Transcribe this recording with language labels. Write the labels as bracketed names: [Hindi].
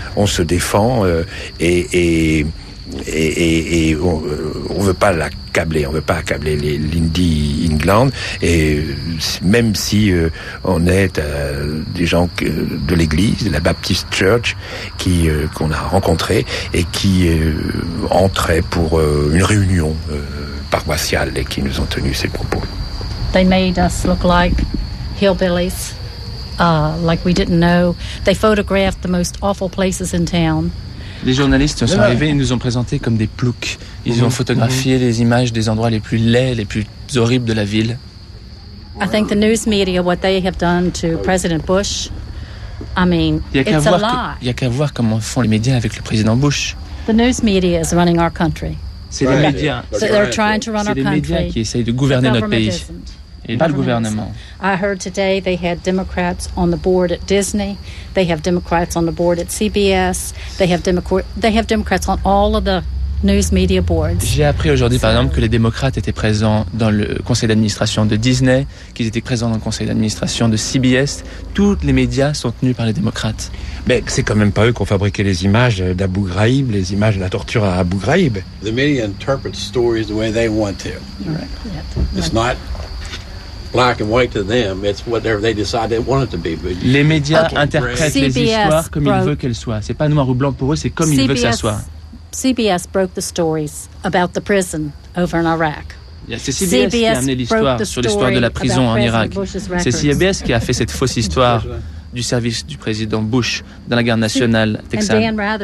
[French] On se défend et on veut pas l'accabler, on veut pas accabler l'Indie England, et même si on est des gens de l'église, de la Baptist Church, qu'on a rencontré et qui entraient pour une réunion paroissiale et qui nous ont tenu ces propos. [English] They made us look like hillbillies, like we didn't know. They photographed the most awful places in town. [French] Les journalistes sont arrivés et nous ont présentés comme des ploucs. Ils ont photographié les images des endroits les plus laids, les plus horribles de la ville. [English] I think the news media, what they have done to President Bush, I mean, it's a lie. [French] Il y a qu'à voir comment font les médias avec le président Bush. [English] The news media is running our country. [French] C'est les médias. [English] So they're trying to run our country. [French] C'est les médias qui essayent de gouverner notre pays. Et pas le gouvernement. [English] I heard today they had Democrats on the board at Disney. They have Democrats on the board at CBS. They have Democrats on all of the news media boards. [French] J'ai appris aujourd'hui, par exemple, que les démocrates étaient présents dans le conseil d'administration de Disney, qu'ils étaient présents dans le conseil d'administration de CBS. Tous les médias sont tenus par les démocrates. Mais c'est quand même pas eux qui ont fabriqué les images d'Abu Ghraib, les images de la torture à Abu Ghraib. [English] The media interprets stories the way they want to. Right. It's not black and white to them, it's whatever they decide they want it to be. But [French] les médias interprètent les histoires comme ils veulent qu'elles soient. C'est pas noir ou blanc pour eux, c'est comme ils veulent que ça soit. [English] CBS broke the stories about the prison over in Iraq. [French] C'est CBS qui a amené l'histoire sur l'histoire de la prison en Irak. C'est CBS qui a fait cette fausse histoire du service du président Bush dans la garde nationale texane.